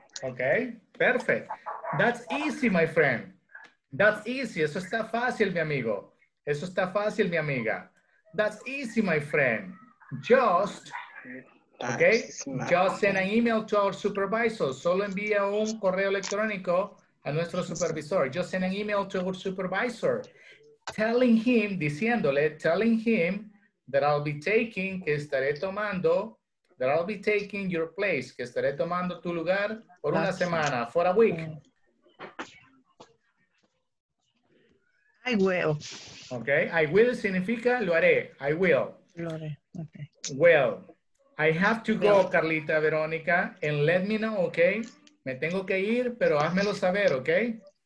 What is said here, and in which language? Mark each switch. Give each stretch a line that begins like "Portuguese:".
English: Okay, perfect. That's easy, my friend. That's easy.
Spanish: Eso está fácil, mi amigo. Eso está fácil, mi amiga.
English: That's easy, my friend. Just, okay, just send an email to our supervisor.
Spanish: Solo envía un correo electrónico a nuestro supervisor.
English: Just send an email to our supervisor.
Spanish: Diciéndole
English: that I'll be taking,
Spanish: que estaré tomando,
English: that I'll be taking your place,
Spanish: que estaré tomando tu lugar por una semana,
English: for a week. I will.
Spanish: Okay, I will significa lo haré, I will. Lo haré, okay.
English: Well, I have to go, Carlita Verónica, and let me know, okay?
Spanish: Me tengo que ir, pero házmelo saber, okay?